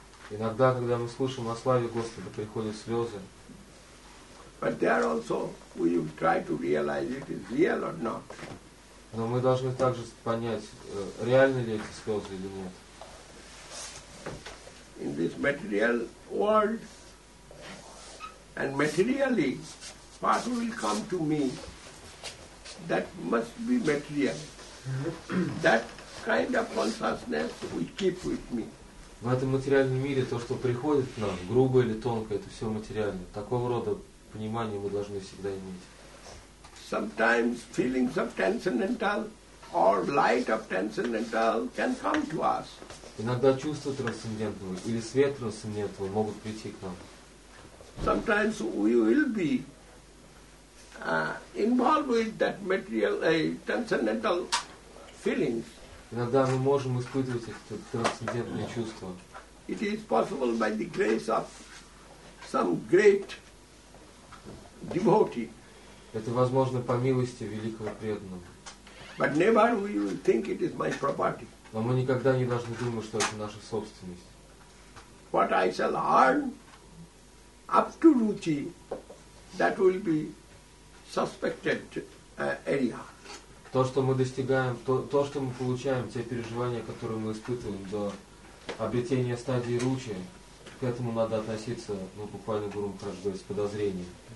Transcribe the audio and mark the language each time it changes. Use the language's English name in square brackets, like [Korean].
[Russian] Иногда, когда мы слушаем о славе Господа, приходят слезы. [English] But there also we try to realize it is real or not. [Russian] Но мы должны также понять, реальны ли эти слезы или нет. [English] In this material world, and materially, what will come to me, that must be material. That kind of consciousness we keep with me. [Russian] В этом материальном мире то, что приходит к нам, грубое или тонкое, это все материально. Такого рода понимание мы должны всегда иметь. [English] Sometimes feelings of transcendental or light of transcendental can come to us. [Russian] Иногда чувства трансцендентного или свет трансцендентного могут прийти к нам. [English] Sometimes we will be involved with that material, transcendental feelings. [Russian] Иногда мы можем испытывать эти трансцендентные чувства. [English] It is possible by the grace of some great devotee. [Russian] Это возможно по милости великого преданного. [English] But never we will think it is my property. [Russian] Но мы никогда не должны думать, что это наша собственность. [English] What I shall earn up to ruchi, that will be suspected area. [Russian] То, что мы достигаем, то, что мы получаем, те переживания, которые мы испытываем до обретения стадии ручи, к этому надо относиться, буквально гуру Махараджу, с подозрением.